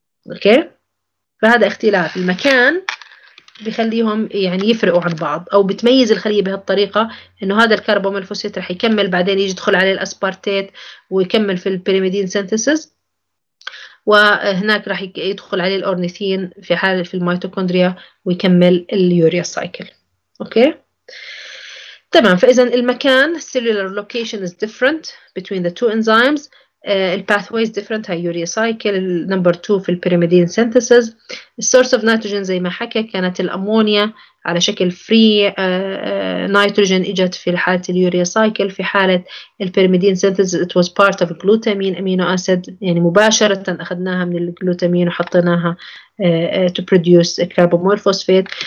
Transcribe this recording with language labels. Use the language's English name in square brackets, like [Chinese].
[Arabic] اوكي، فهذا اختلاف المكان بيخليهم يعني يفرقوا عن بعض، او بتميز الخليه بهالطريقه انه هذا الكربامول فوسفيت راح يكمل بعدين يجي يدخل عليه الاسبارتيت ويكمل في البيريميدين سينثيسيس، وهناك راح يدخل عليه الأورنيثين في حال في الميتوكوندريا ويكمل اليوريا سايكل. اوكي تمام. فاذا المكان [English] cellular location is different between the two enzymes. [Arabic] الباثوي [English] is different. [Arabic] هاي يوريا سايكل نمبر 2 في البيريميدين سينثيسز. [English] السورس of nitrogen [Arabic] زي ما حكى كانت الامونيا على شكل فري نيتروجين اجت في حاله اليوريا سايكل، في حاله البيريميدين سينثيسز [English] it was part of glutamine amino acid, [Arabic] يعني مباشره اخذناها من الجلوتامين وحطيناها [English] To produce carbamoyl phosphate.